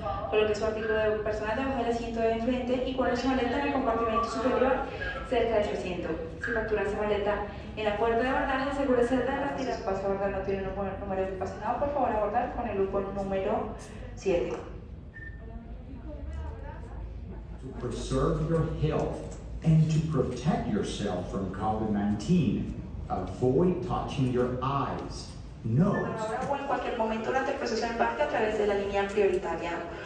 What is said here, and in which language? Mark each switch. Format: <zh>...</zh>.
<es>Coloque su artículo personal debajo del asiento de enfrente y guarde su maleta en el compartimento superior cerca de su asiento. Si factura esa maleta en la puerta de abordaje, asegúrese de retirar. Si su paso de abordaje no tiene un número de pasajero, por favor abordar con el grupo número 7.</es> <en>To preserve your health and to protect yourself from COVID-19, avoid touching your eyes, nose.</en> <es>Ahora o en cualquier momento durante el proceso de embarque a través de la línea prioritaria.</es>